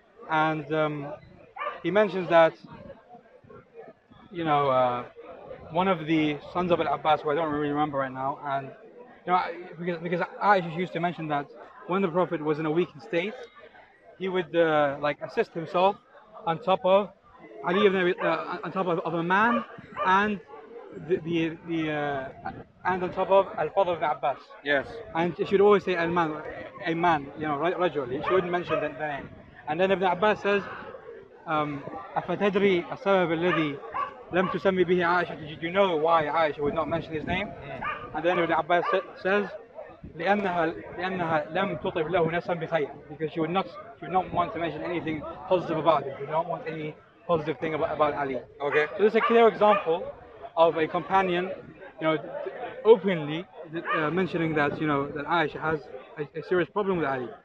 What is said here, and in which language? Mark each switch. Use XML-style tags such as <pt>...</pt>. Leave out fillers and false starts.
<en>And he mentions that, you know, one of the sons of Al-Abbas, who I don't really remember right now, and you know, because I used to mention that when the Prophet was in a weakened state, he would like assist himself on top of Ali ibn Abi, on top of a man, and the and on top of Al-Fadl ibn Abbas. Yes. And she would always say Al-Man, a man, you know, regularly. She wouldn't mention the name. And then Ibn Abbas says,</en> <ar>"أفتدري السبب الذي لم تسمي به عائشة?"</ar> <en>Did you know why Aisha would not mention his name? Yeah. And then Ibn Abbas says,</en> <ar>لأنها لم تطب له نفسا بخير,</ar> <en>because she would not want to mention anything positive about him. She would not want any positive thing about Ali. Okay. So this is a clear example of a companion, you know, openly mentioning that, you know, that Aisha has a serious problem with Ali.</en>